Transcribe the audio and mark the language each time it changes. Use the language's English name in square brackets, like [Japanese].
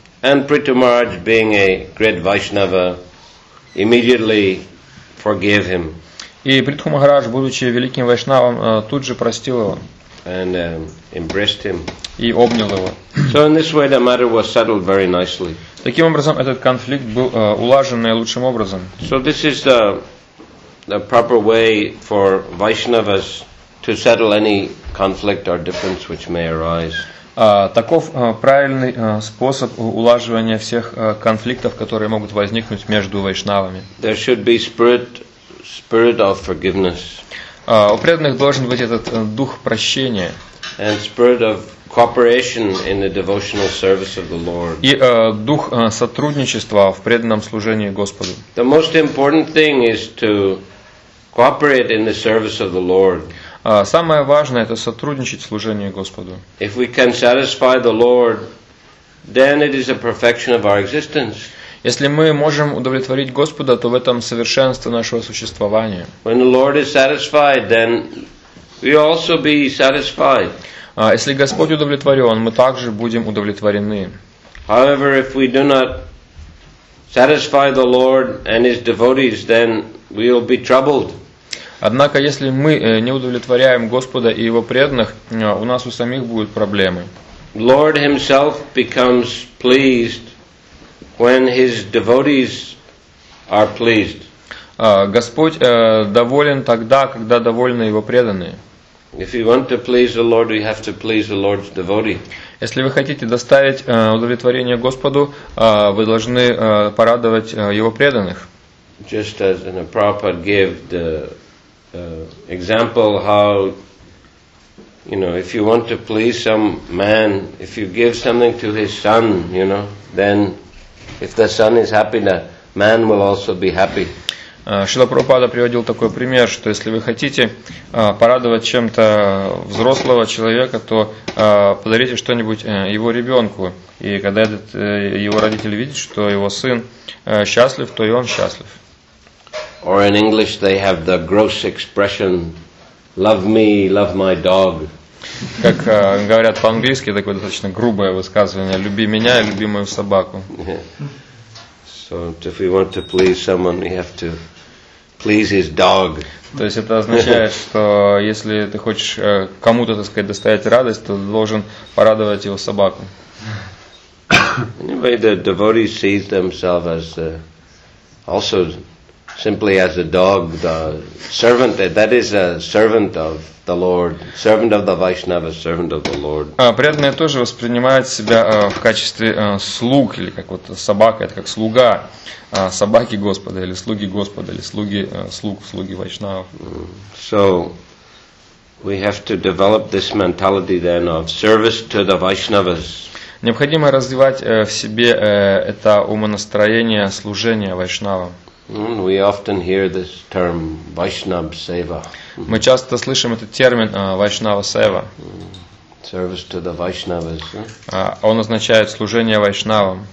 [English] And Prithu Maharaj, being a great Vaishnava, immediately forgave him. [Russian] И Притху Махарадж, будучи великим вайшнавом, тут же простил его. [English] And embraced him. [Russian] И обнял его. [English] So in this way the matter was settled very nicely. [Russian] Таким образом этот конфликт был улажен наилучшим образом. [English] So this is the proper way for Vaishnavas to settle any conflict or difference which may arise. [Russian] Таков правильный способ улаживания всех конфликтов, которые могут возникнуть между вайшнавами. [English] There should be spirit of forgiveness. [Russian] У преданных должен быть этот дух прощения. [English] And spirit of cooperation in the devotional service of the Lord. [Russian] И дух сотрудничества в преданном служении Господу. [English] The most important thing is to cooperate in the service of the Lord. [Russian] Самое важное это сотрудничать в служении Господу. [English] If we can satisfy the Lord, then it is a perfection of our existence. [Russian] Если мы можем удовлетворить Господа, то в этом совершенство нашего существования. [English] When the Lord is satisfied, then we also be satisfied. [Russian] Если Господь удовлетворен, мы также будем удовлетворены. [English] However, if we do not satisfy the Lord and His devotees, then we will be troubled. [Russian] Однако, если мы не удовлетворяем Господа и Его преданных, у нас у самих будут проблемы. [English] Lord Himself becomes pleased when his devotees are pleased. [Russian] Господь доволен тогда, когда довольны его преданные. [English] If you want to please the Lord, you have to please the Lord's devotee. [Russian] Если вы хотите доставить удовлетворение Господу, вы должны порадовать его преданных. [English] Just as Prabhupada gave the example how, you know, if you want to please some man, if you give something to his son, you know, then if the son is happy, the man will also be happy. [Russian] Шрила Прабхупада приводил такой пример, что если вы хотите порадовать чем-то взрослого человека, то подарите что-нибудь его ребенку. И когда этот, его родитель видит, что его сын счастлив, то и он счастлив. [English] Or in English they have the gross expression, love me, love my dog. [Russian] Как говорят по-английски, такое достаточно грубое высказывание, люби меня и люби мою собаку. [English] So if we want to please someone, we have to please his dog. [Russian] То есть это означает, что если ты хочешь кому-то, так сказать, доставить радость, то должен порадовать его собаку. [English] Anyway, the devotee sees themselves as also simply as a dog, the servant, that is a servant of the Lord, servant of the Vaishnava, servant of the Lord. [Russian] Преданные тоже воспринимают себя в качестве слуг, или как вот собака, это как слуга, собаки Господа, или слуги Господа, или слуги слуг, слуги Вайшнава. [English] So, we have to develop this mentality then of service to the Vaishnavas. [Russian] Необходимо развивать в себе это умонастроение служения Вайшнава. [English] We often hear this term Vaishnav Seva. [Russian] Мы часто слышим этот термин Vaishnava Seva. [English] Service to the Vaishnavas. [Russian] Он означает служение Вайшнавам.